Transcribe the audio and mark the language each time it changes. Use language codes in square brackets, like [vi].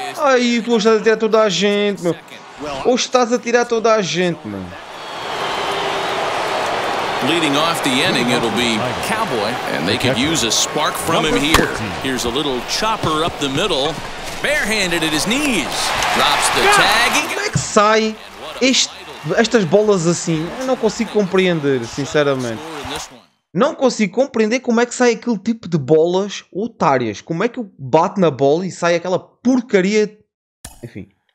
[pt] Aí, tu hoje estás a tirar toda a gente, meu. Hoje estás a tirar toda a gente, meu. [en] Leading off the inning, it'll be Cowboy, and they could use a spark from him here. Here's a little chopper up the middle, barehanded at his knees, drops the tag. [pt] Como é que sai estas bolas assim? Eu não consigo compreender, sinceramente. Não consigo compreender como é que sai aquele tipo de bolas otárias. Como é que eu bato na bola e sai aquela porcaria? Enfim.